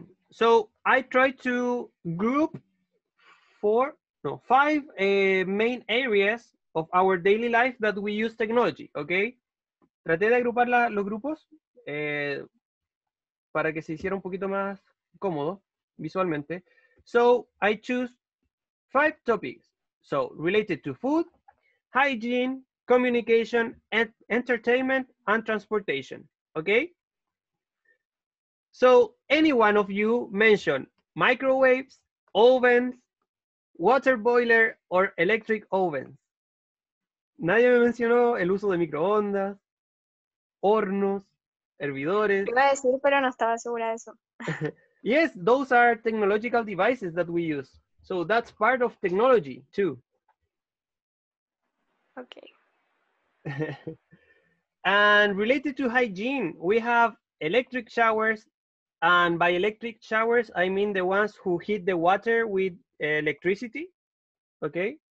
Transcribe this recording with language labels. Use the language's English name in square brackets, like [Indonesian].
[English] So I try to group five main areas of our daily life that we use technology, okay? [Spanish] Traté de agrupar los grupos para que se hiciera un poquito más cómodo visualmente. [English] So I choose five topics. So related to food, hygiene, communication, entertainment, and transportation, okay? So any one of you mention microwaves, ovens, water boiler or electric ovens. [Spanish] Nadie me mencionó el uso de microondas, hornos, hervidores. Iba a decir, pero no estaba segura de eso. [English] Yes, those are technological devices that we use. So that's part of technology too. Okay. And related to hygiene, we have electric showers. And by electric showers, I mean the ones who heat the water with electricity, okay?